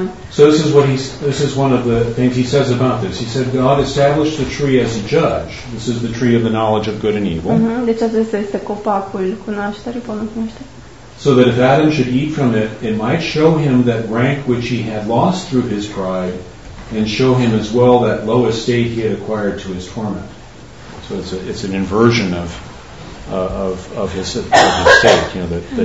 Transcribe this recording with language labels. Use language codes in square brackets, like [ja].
[en] So this is what this is one of the things he says about this. He said God established the tree as a judge. This is the tree of the knowledge of good and evil. Mm-hmm. [ro] Deci acesta este copacul cunoașterii, pomul cunoașterii. [en] So that if Adam should eat from it, it might show him that rank which he had lost through his pride, and show him as well that low estate he had acquired to his torment. So it's an inversion of his estate, that mm-hmm.